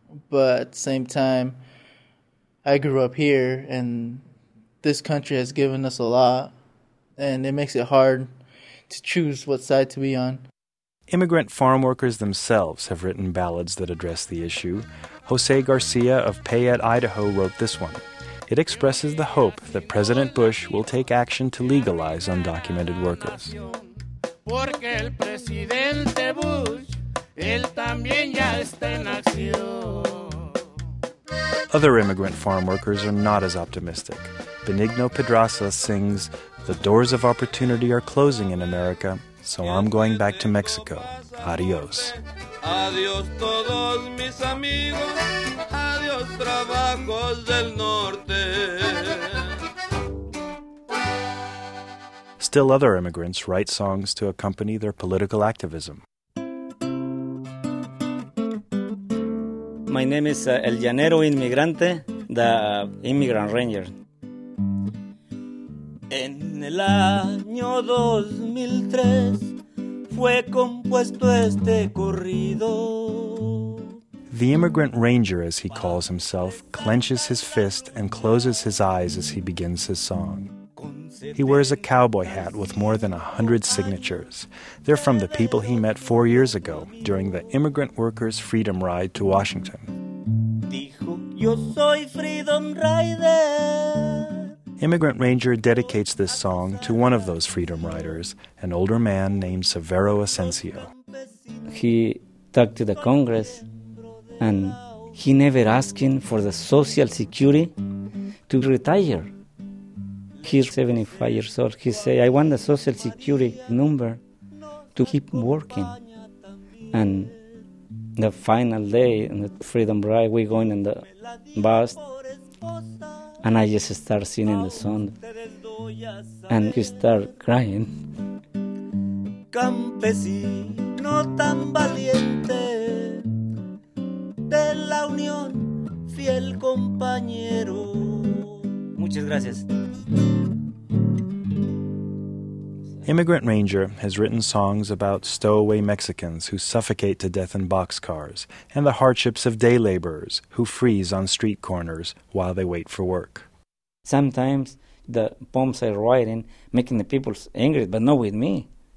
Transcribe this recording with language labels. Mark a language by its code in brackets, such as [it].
[en] But at the same time, I grew up here, and this country has given us a lot, and it makes it hard to choose what side to be on. Immigrant farm workers themselves have written ballads that address the issue. Jose Garcia of Payette, Idaho, wrote this one. It expresses the hope that President Bush will take action to legalize undocumented workers. [es] Porque el presidente Bush, él también ya está en acción. [en] Other immigrant farm workers are not as optimistic. Benigno Pedraza sings, "The doors of opportunity are closing in America. So I'm going back to Mexico. [es] Adios." Adios todos mis amigos. Adios trabajos del norte. [en] Still other immigrants write songs to accompany their political activism. My name is El Llanero Inmigrante, the immigrant ranger. [es] En el año 2003 fue compuesto este corrido. [en] The immigrant ranger, as he calls himself, clenches his fist and closes his eyes as he begins his song. He wears a cowboy hat with more than 100 signatures. They're from the people he met 4 years ago during the Immigrant Workers Freedom Ride to Washington. [es] Dijo, yo soy Freedom Rider. [en] Immigrant Ranger dedicates this song to one of those freedom riders, an older man named Severo Asensio. He talked to the Congress, and he never asking for the Social Security to retire. He's 75 years old. He say, I want the Social Security number to keep working. And the final day in the Freedom Ride, we going in the bus, and I just start singing the song, and he start crying. [es] Campesino tan valiente, de la Unión, fiel compañero. Muchas gracias. [en] Immigrant Ranger has written songs about stowaway Mexicans who suffocate to death in boxcars and the hardships of day laborers who freeze on street corners while they wait for work. Sometimes the poems I write in making the people angry, but not with me.